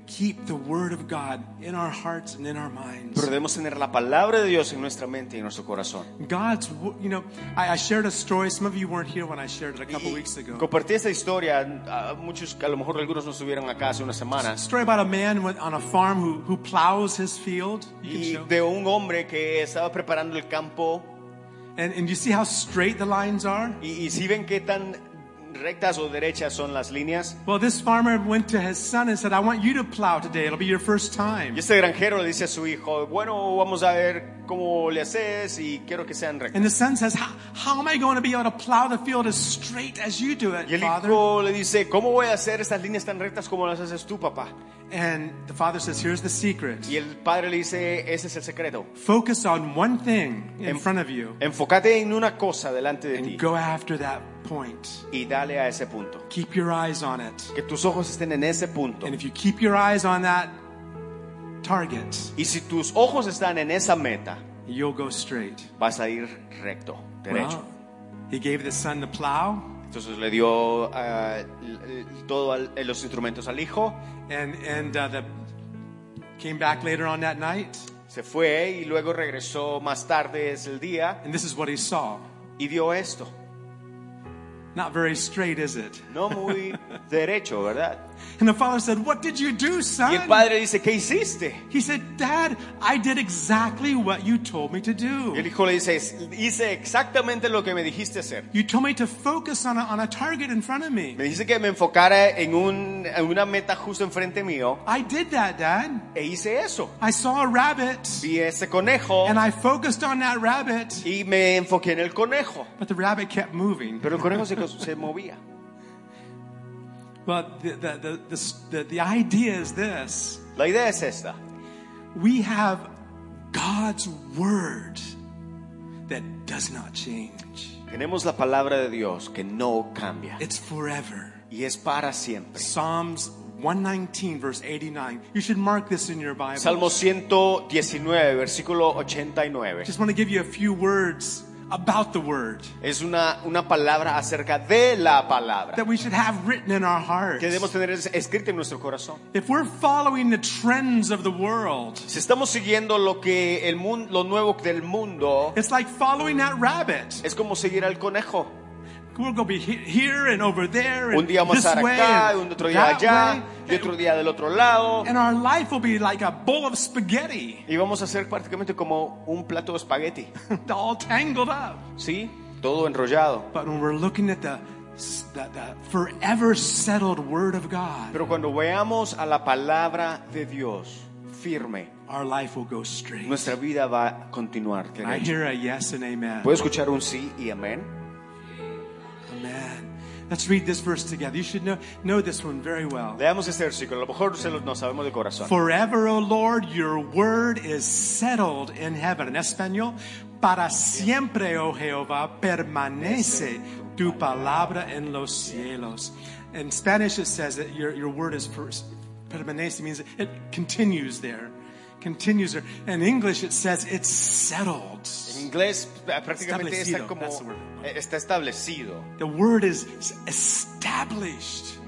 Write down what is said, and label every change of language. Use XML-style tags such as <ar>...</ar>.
<en>keep the word of God in our hearts and in our minds.</en> <es>Pero debemos tener la palabra de Dios en nuestra mente y en nuestro corazón.</es> <en>God's, you know, I shared a story. Some of you weren't here when I shared it a couple weeks ago.</en> <es>Compartí esta historia. Muchos, a lo mejor algunos no estuvieron acá hace una semana.</es> <en>A story about a man on a farm who plows his field.</en> <es>Y de un hombre que estaba preparando el campo.</es> <en>And you see how straight the lines are?</en> <es>Y si ven qué tan rectas o derechas son las líneas.</es> <en>Well, this farmer went to his son and said, "I want you to plow today. It'll be your first time."</en> <es>Y este granjero le dice a su hijo, "Bueno, vamos a ver cómo le haces y quiero que sean rectas."</es> <en>And the son says, "How am I going to be able to plow the field as straight as you do it, father?"</en> <es>Y el hijo le dice, "¿Cómo voy a hacer estas líneas tan rectas como las haces tú, papá?"</es> <en>And the father says, "Here's the secret."</en> <es>Y el padre le dice, "Ese es el secreto."</es> <en>Focus on one thing in front of you.</en> <es>Enfócate en una cosa delante de ti.</es> <en>And go after that point.</en> <es>Y dale a ese punto.</es> <en>Keep your eyes on it.</en> <es>Que tus ojos estén en ese punto.</es> <en>And if you keep your eyes on that target,</en> <es>y si tus ojos están en esa meta,</es> <en>you'll go straight.</en> <es>Vas a ir recto, derecho.</es> <en>Well, he gave the son the plow.</en> <es>Entonces le dio todo los instrumentos al hijo.</es> <en>And came back later on that night.</en> <es>Se fue y luego regresó más tarde ese día.</es> <en>And this is what he saw.</en> <es>Y vio esto.</es> <en>Not very straight, is it?</en> <es>No muy derecho, ¿verdad?</es> <en>And the father said, "What did you do, son?"</en> <es>Y el padre dice, ¿qué hiciste?</es> <en>He said, "Dad, I did exactly what you told me to do."</en> <es>Y el hijo le dice, hice exactamente lo que me dijiste hacer.</es> <en>You told me to focus on a target in front of me.</en> <es>Me dice que me enfocara en una meta justo enfrente mío.</es> <en>I did that, Dad.</en> <es>E hice eso.</es> <en>I saw a rabbit.</en> <es>Vi ese conejo.</es> <en>And I focused on that rabbit.</en> <es>Y me enfoqué en el conejo.</es> <en>But the rabbit kept moving.</en> <es>Pero el conejo se movía.</es> <en>But the idea is this.</en> <es>La idea es esta.</es> <en>We have God's word that does not change.</en> <es>Tenemos la palabra de Dios que no cambia.</es> <en>It's forever.</en> <es>Y es para siempre.</es> <en>Psalms 119 verse 89. You should mark this in your Bible.</en> <es>Salmo 119 versículo 89.</es> <en>Just want to give you a few words about the word.</en> <es>Es una palabra acerca de la palabra.</es> <en>That we should have written in our hearts.</en> <es>Que debemos tener escrito en nuestro corazón.</es> <en>If we're following the trends of the world.</en> <es>Si estamos siguiendo lo nuevo del mundo.</es> <en>It's like following that rabbit.</en> <es>Es como seguir al conejo.</es> <en>We're going to be here and over there and</en> <es>un día vamos</es> <en>this</en> <es>acá,</es> <en>way,</en> <es>un otro día allá,</es> <en>way,</en> <es>y otro día del otro lado.</es> <en>And our life will be like a bowl of spaghetti.</en> <es>Y vamos a ser prácticamente como un plato de espagueti.</es> <en>All tangled up.</en> <es>Sí, todo enrollado.</es> <en>But when we're looking at the forever settled word of God.</en> <es>Pero cuando veamos a la palabra de Dios firme.</es> <en>Our life will go straight.</en> <es>Nuestra vida va a continuar.</es> <en>Can I hear a yes and amen?</en> <es>¿Puedo escuchar un sí y amén?</es> <en>Let's read this verse together. You should know this one very well.</en> <es>Leamos este versículo. A lo mejor no sabemos de corazón.</es> <en>Forever, O Lord, your word is settled in heaven.</en> <es>En español, para siempre, oh Jehová, permanece tu palabra en los cielos.</es> <en>In Spanish, it says that your word is permanece. It means it continues there. Continues there. In English, it says it's settled.</en> <es>En inglés, prácticamente está como está establecido.</es> <en>The word is established.</en>